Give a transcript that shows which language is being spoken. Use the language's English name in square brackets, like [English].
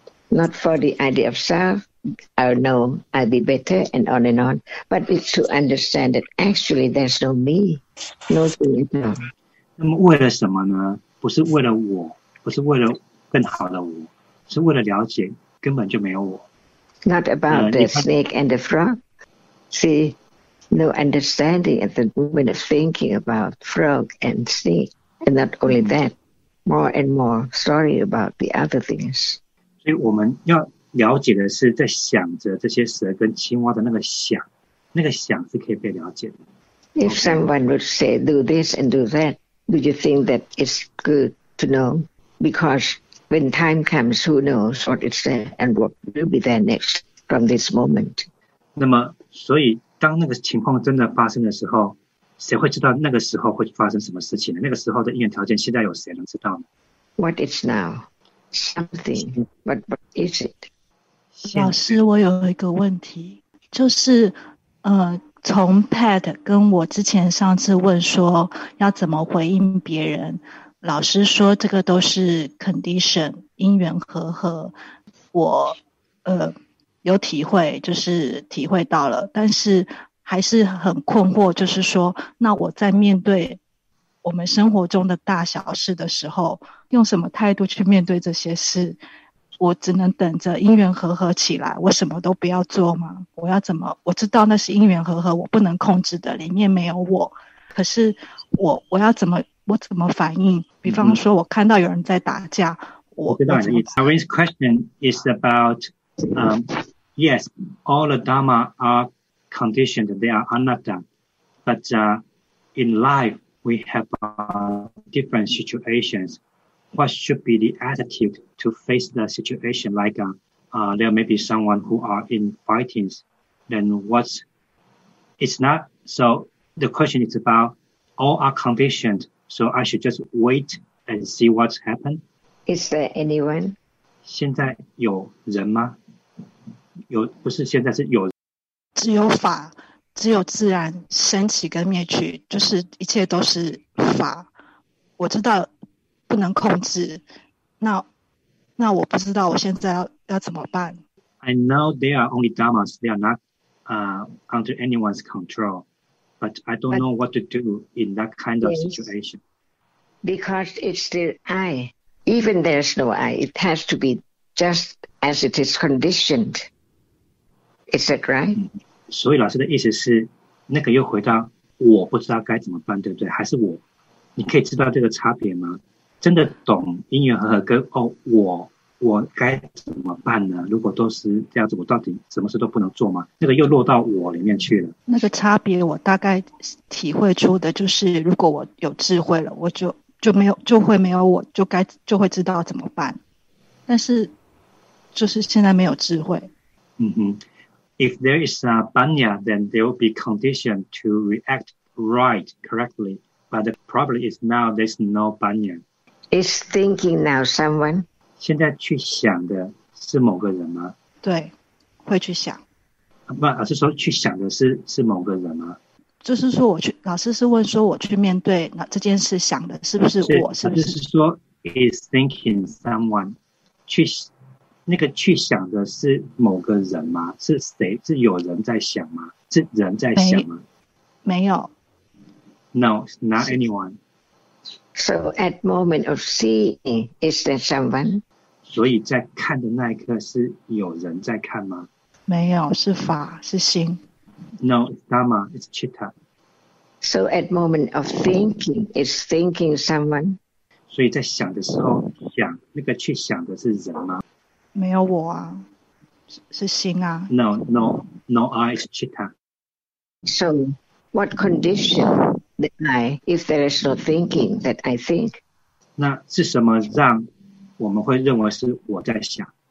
[English] Not for the idea of self, I'll know, I'll be better, and on, but it's to understand that actually there's no me, no thing at all. [Chinese] 那么为了什么呢？不是为了我，不是为了更好的我，是为了了解根本就没有我。 [English] Not about the snake and the frog. See, no understanding at the moment of thinking about frog and snake. And not only that, more and more story about the other things. [Chinese] 所以我们要了解的是，在想着这些蛇跟青蛙的那个想，那个想是可以被了解的。 [English] If someone would say do this and do that, do you think that it's good to know? Because when time comes, who knows what is there and what will be there next from this moment? [Chinese] 那么，所以当那个情况真的发生的时候，谁会知道那个时候会发生什么事情呢？那个时候的因缘条件，现在有谁能知道呢 [English] ？What is now? Something, but what is it? [Chinese] 老师，我有一个问题，就是从 Pat 跟我之前上次问说要怎么回应别人，老师说这个都是 condition 因缘和合，我有体会，就是体会到了，但是还是很困惑，就是说，那我在面对。我们生活中的大小事的时候，用什么态度去面对这些事？我只能等着因缘和合起来，我什么都不要做吗？我要怎么？我知道那是因缘和合，我不能控制的，里面没有我。可是我要怎么？我怎么反应？比方说，我看到有人在打架，我知道。 [English] Irene's question is about, yes, all the dharma are conditioned, they are anatta, but in life. We have different situations. What should be the attitude to face the situation? Like there may be someone who are in fightings. Then what's... It's not... So the question is about all are conditioned. So I should just wait and see what's happened. Is there anyone? [Chinese] 现在有人吗？有，不是现在是有人。只有法。只有自然升起跟灭去，就是一切都是法。我知道不能控制，那我不知道我现在要怎么办。 [English] I know there are only dharmas; they are not under anyone's control. But I don't know what to do in that kind of situation. Because it's still I. Even there's no I, it has to be just as it is conditioned. Is that right? [Chinese] 所以老师的意思是，那个又回到我不知道该怎么办，对不对？还是我？你可以知道这个差别吗？真的懂因缘和合跟哦，我该怎么办呢？如果都是这样子，我到底什么事都不能做吗？那个又落到我里面去了。那个差别我大概体会出的就是，如果我有智慧了，我就没有就会没有我就该就会知道怎么办。但是就是现在没有智慧。嗯哼。 [English] If there is a banya, then they will be conditioned to react right, correctly. But the problem is now there's no banya. Is thinking now someone? [Chinese] 现在去想的是某个人吗？对，会去想。不，老师说去想的是某个人吗？就是说我去，老师是问说我去面对那这件事想的是不是我？是不是？老师是说 [English] is thinking someone [Chinese] 去。那个去想的是某个人吗？是谁？是有人在想吗？是人在想吗？没有。 [English] No, not anyone. So at moment of seeing, is there someone? [Chinese] 所以在看的那一刻是有人在看吗？没有，是法，是心。 [English] No, it's dharma, it's chitta. So at moment of thinking, is thinking someone? [Chinese] 所以在想的时候想，那个去想的是人吗？没有我啊，是心啊。 [English] No, I is chitta. So, what condition the I, if there is no thinking that I think? [Chinese] 那是什么让我们会认为是我在想？